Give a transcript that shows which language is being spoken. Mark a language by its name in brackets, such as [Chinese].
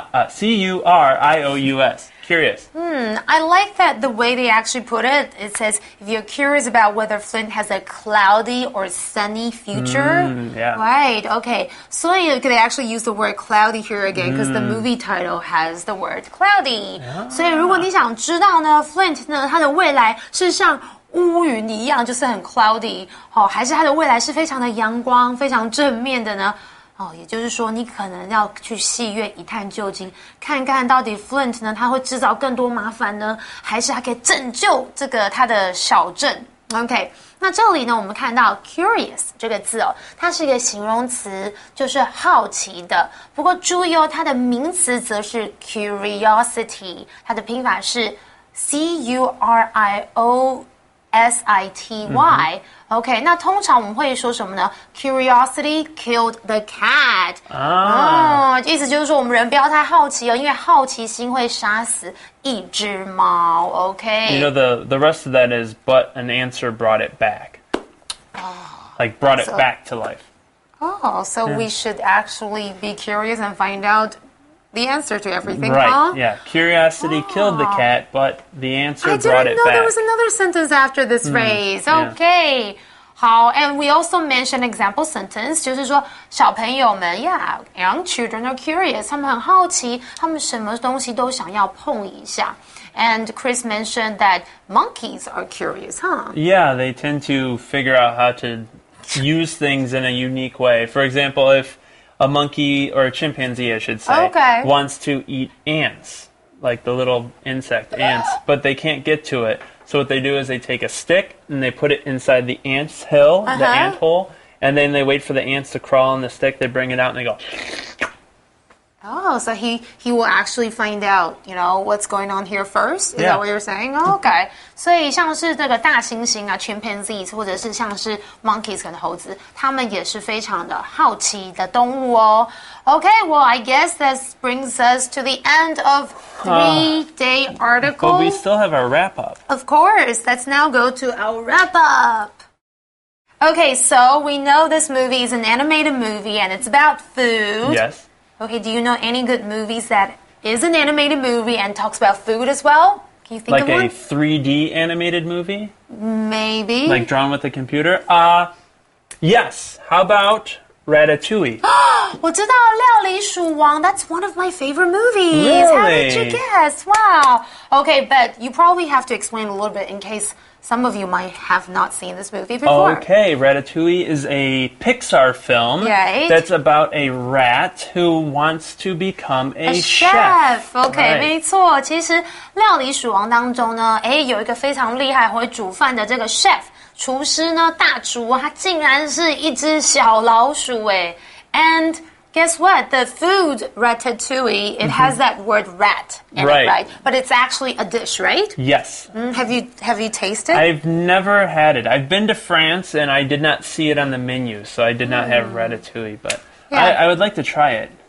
[English] C-U-R-I-O-U-S. Curious. Hmm, I like that the way they actually put it. It says, if you're curious about whether Flint has a cloudy or sunny future. Yeah. Right, okay. So they actually use the word cloudy here again because、mm. the movie title has the word cloudy.、 Yeah. [Chinese] 所以如果你想知道呢 Flint 呢他的未来是像乌云一样就是很 cloudy、哦、还是他的未来是非常的阳光非常正面的呢哦，也就是说，你可能要去戏院一探究竟，看看到底 Flint 呢，他会制造更多麻烦呢，还是他可以拯救这个他的小镇 ？ [English] OK， [Chinese] 那这里呢，我们看到 curious 这个字哦，它是一个形容词，就是好奇的。不过注意哦，它的名词则是 curiosity， 它的拼法是 c u r i o s i t y。 [English] 嗯OK, [Chinese] 那通常我们会说什么呢 [English] ?Curiosity killed the cat. [Chinese] 意思就是说我们人不要太好奇哦，因为好奇心会杀死一只猫。 [English] OK? You know, the rest of that is, but an answer brought it back.、 Oh, like, brought it back to life. Oh, so、yeah. we should actually be curious and find out the answer to everything, right, huh? Right, yeah. Curiosity killed the cat, but the answer brought it back. I didn't know there was another sentence after this phrase. Okay. Yeah. [Chinese] 好, [English] and we also mentioned example sentence, [Chinese] 就是说小朋友们, [English] yeah, young children are curious, [Chinese] 他们很好奇,他们什么东西都想要碰一下。 [English] And Chris mentioned that monkeys are curious, huh? Yeah, they tend to figure out how to use things in a unique way. For example, if a monkey, or a chimpanzee, I should say, wants to eat ants, like the little insect ants, but they can't get to it. So what they do is they take a stick and they put it inside the ant's hill, the ant hole, and then they wait for the ants to crawl on the stick. They bring it out and they go... Oh, so he will actually find out, you know, what's going on here first? Is that what you're saying? Okay. [Chinese] 所以像是这个大猩猩啊 chimpanzees, 或者是像是 monkeys 跟猴子他们也是非常的好奇的动物哦。 [English] Okay, well, I guess this brings us to the end of three-day article. But we still have our wrap-up. Of course. Let's now go to our wrap-up. Okay, so we know this movie is an animated movie and it's about food. Yes. Okay, do you know any good movies that is an animated movie and talks about food as well? Can you think like of one? Like a 3D animated movie? Maybe. Like drawn with a computer? Yes. How about Ratatouille? [Chinese] 我知道料理鼠王 [English] That's one of my favorite movies. Really? How did you guess? Wow. Okay, but you probably have to explain a little bit in case some of you might have not seen this movie before. Okay, Ratatouille is a Pixar film. Right. That's about a rat who wants to become a chef. Okay, right. [Chinese] 没错。其实料理鼠王当中呢，哎，有一个非常厉害会煮饭的这个 chef 厨师呢，大厨，他竟然是一只小老鼠哎。 [English] And guess what? The food Ratatouille, it has that word rat in it, right? But it's actually a dish, right? Yes. Have you tasted? I've never had it. I've been to France and I did not see it on the menu, so I did not have Ratatouille, but I would like to try it.